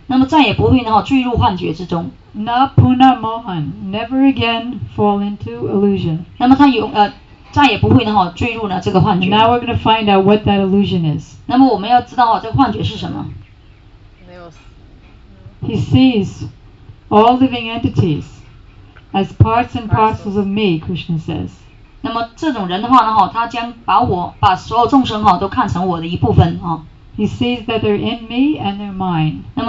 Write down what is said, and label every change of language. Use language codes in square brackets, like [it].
[zh] 那么再也不会坠入幻觉之中. [sa] Na puna mohan, [en] never again fall into illusion. [zh] 那么他再也不会坠入这个幻觉. [en] Now we're going to find out what that illusion is. [zh] 那么我们要知道这个幻觉是什么. [en] He sees all living entities. As parts and parcels of me, Krishna says. [zh] 那么这种人的话，他将把所有众生都看成我的一部分。He [en] sees that they're in me and they're mine.